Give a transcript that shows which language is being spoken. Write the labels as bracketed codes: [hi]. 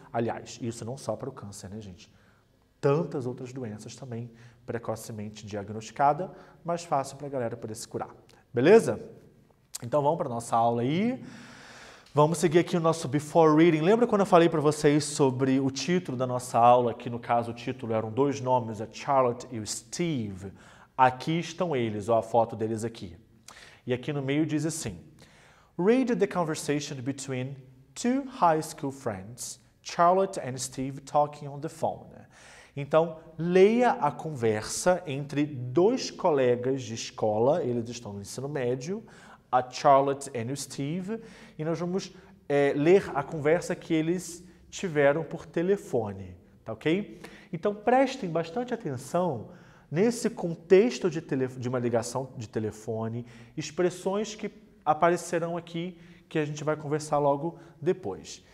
[pt] Aliás, isso não só para o câncer, né, gente? Tantas outras doenças também precocemente diagnosticada, mais fácil para a galera poder se curar, beleza? Então, vamos para nossa aula aí. Vamos seguir aqui o nosso before reading. Lembra quando eu falei para vocês sobre o título da nossa aula, que no caso o título eram dois nomes, a Charlotte e o Steve? Aqui estão eles, ó, a foto deles aqui. E aqui no meio diz assim: [en] Read the conversation between two high school friends, Charlotte and Steve, talking on the phone. [pt] Então, leia a conversa entre dois colegas de escola, eles estão no ensino médio, a Charlotte e o Steve, e nós vamos ler a conversa que eles tiveram por telefone, tá ok? Então prestem bastante atenção nesse contexto de uma ligação de telefone, expressões que aparecerão aqui que a gente vai conversar logo depois.